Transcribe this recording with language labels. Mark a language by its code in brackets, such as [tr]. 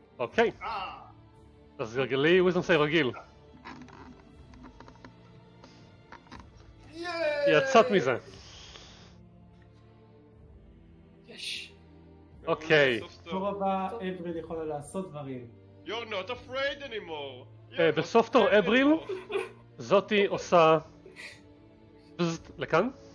[he] אוקיי. אז גרגלי, wisdom save רגיל. יצאת מזה. אוקיי. תור הבא, אבריל יכולה לעשות דברים. [en] You're not afraid anymore. [he] בסוף תור אבריל, זאתי עושה... לכאן.